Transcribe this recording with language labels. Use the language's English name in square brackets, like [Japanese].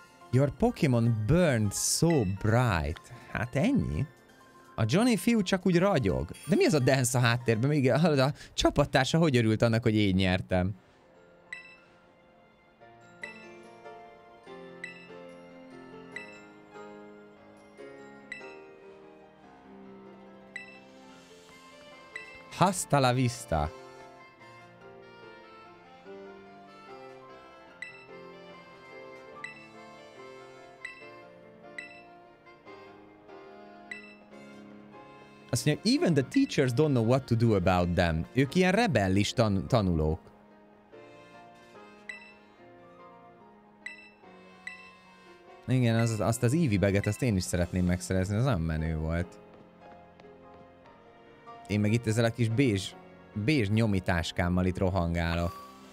[English] Your Pokémon burned so bright. [Hungarian] Hát ennyi. A Johnny fiú csak úgy ragyog. De mi az a dance a háttérben? Még a csapattársa hogy örült annak, hogy én nyertem? [Spanish] Hasta la vista. [Hungarian] Azt mondja, [English] even the teachers don't know what to do about them. [Hungarian] Ők ilyen rebellis tanulók. Igen, azt az Eevee-beget, azt én is szeretném megszerezni, az nagyon menő volt. Én meg itt ezzel a kis bézs nyomitáskámmal itt rohangálok.